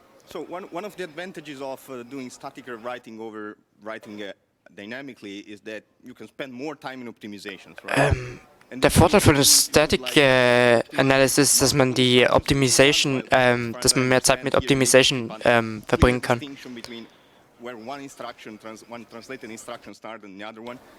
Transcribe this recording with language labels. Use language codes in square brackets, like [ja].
[en] So, one of the advantages of doing static writing over writing dynamically is that you can spend more time in optimizations, right? [de] Der Vorteil von Static Analysis ist, dass man die Optimization, dass man mehr Zeit mit Optimization verbringen kann. [en] Where one instruction, one translated instruction start and the other one.